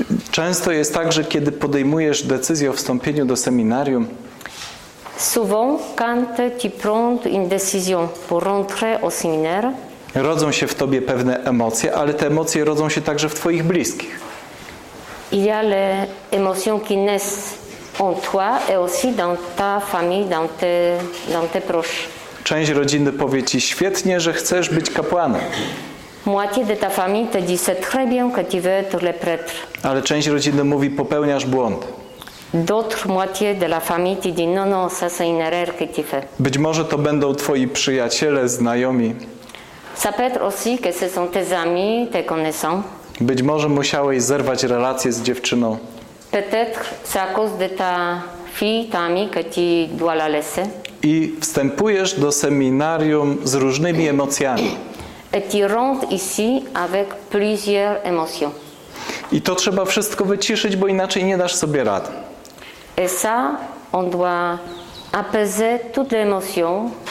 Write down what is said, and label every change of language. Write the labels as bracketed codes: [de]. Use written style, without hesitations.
[pl] Często jest tak, że kiedy podejmujesz decyzję o wstąpieniu do seminarium, [fr] souvent quand tu prends une décision pour rentrer au séminaire, [pl] rodzą się w tobie pewne emocje, ale te emocje rodzą się także w twoich bliskich. [fr] Il y a les émotions qui naissent en toi et aussi dans ta famille, dans tes proches. [pl] Część rodziny powie ci świetnie, że chcesz być kapłanem. [fr] Moitié de ta famille te dit c'est très bien que tu veux être le prêtre. [pl] Ale część rodziny mówi popełniasz błąd. [fr] D'autres moitié de la famille te dit non, ça c'est une erreur que tu fais. [pl] Być może to będą twoi przyjaciele, znajomi. [fr] Ça peut être aussi que ce sont tes amis, tes connaissants. [pl] Być może musiałeś zerwać relacje z dziewczyną. [fr] Peut-être c'est à cause de ta fille, ta amie que tu dois la laisser. [pl] I wstępujesz do seminarium z różnymi emocjami. [fr] Et tu rentres ici avec plusieurs émotions. [pl] I to trzeba wszystko wyciszyć, bo inaczej nie dasz sobie rady. [fr] Et ça, on doit apaiser toutes les émotions.